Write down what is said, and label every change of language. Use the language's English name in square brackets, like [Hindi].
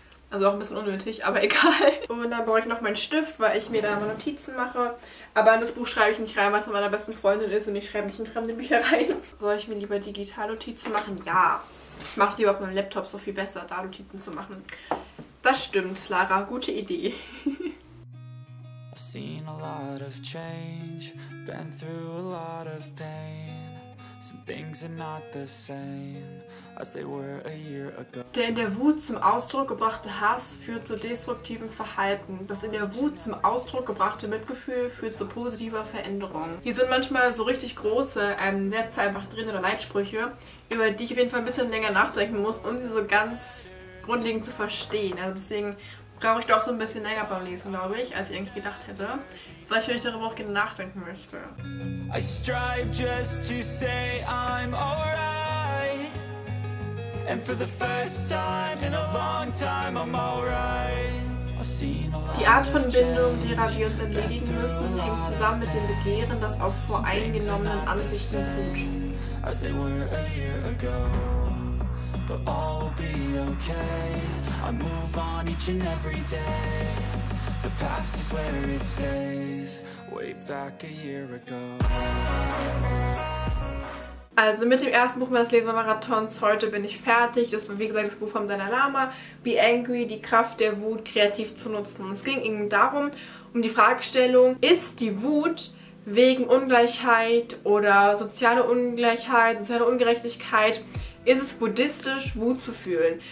[German] Also auch ein bisschen unnötig, aber egal. Und dann brauche ich noch meinen Stift, weil ich mir da mal Notizen mache. Aber in das Buch schreibe ich nicht rein, weil es von meiner besten Freundin ist und ich schreibe nicht in fremde Bücher rein. Soll ich mir lieber digital Notizen machen? Ja. Ich mache lieber auf meinem Laptop so viel besser, da Notizen zu machen. Das stimmt, Lara. Gute Idee. [English] Seen a lot of change, been through a lot of pain. Some things are not the same as they were a year ago. [German] Der in der Wut zum Ausdruck gebrachte Hass führt zu destruktivem Verhalten. Das in der Wut zum Ausdruck gebrachte Mitgefühl führt zu positiver Veränderung. Hier sind manchmal so richtig große Sätze einfach drin oder Leitsprüche, über die ich auf jeden Fall ein bisschen länger nachdenken muss, um sie so ganz grundlegend zu verstehen. Also deswegen brauche ich doch so ein bisschen länger beim Lesen, glaube ich, als ich eigentlich gedacht hätte. Vielleicht, wenn ich darüber auch gerne nachdenken möchte. [English] I strive just to say I'm alright. And for the first time in a long time I'm alright. [German] Die Art von Bindung, derer wir uns entledigen müssen, hängt zusammen mit dem Begehren, das auf voreingenommenen Ansichten ruht. [English] As they were a year ago. But all will be okay. I move on each and every day. The past is where it stays. Way back a year ago. [German] Also mit dem ersten Buch meines Lesemarathons heute bin ich fertig. Das war wie gesagt das Buch vom Dalai Lama, Be Angry, die Kraft der Wut kreativ zu nutzen. Und es ging eben darum, um die Fragestellung, ist die Wut wegen Ungleichheit oder soziale Ungleichheit, soziale Ungerechtigkeit, ist es buddhistisch, Wut zu fühlen?